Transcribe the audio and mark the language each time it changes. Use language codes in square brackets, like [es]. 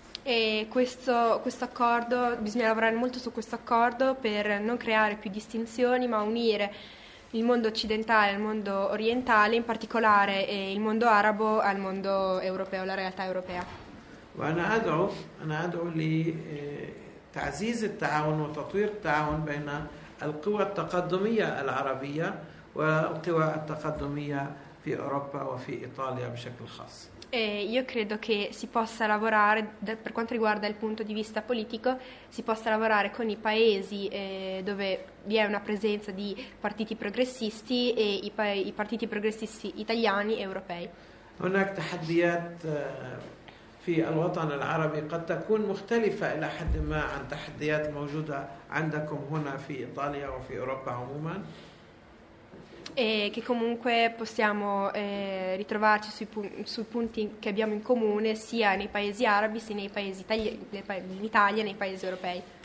[it] E questo accordo, bisogna lavorare molto su questo accordo per non creare più distinzioni ma unire il mondo occidentale al mondo orientale, in particolare il mondo arabo al mondo europeo, la realtà europea. [ar] وأنا أدعو لتعزيز التعاون وتطوير التعاون بين القوى التقدمية العربية والقوى التقدمية في أوروبا وفي إيطاليا بشكل خاص. [it] E io credo che si possa lavorare, per quanto riguarda il punto di vista politico, si possa lavorare con i paesi dove vi è una presenza di partiti progressisti e i partiti progressisti italiani e europei. [ar] هناك تحديات في الوطن العربي قد تكون مختلفة إلى حد ما عن تحديات موجودة عندكم هنا في إيطاليا وفي أوروبا عموما. [it] E che comunque possiamo ritrovarci sui punti che abbiamo in comune sia nei paesi arabi sia nei paesi in Italia nei paesi europei.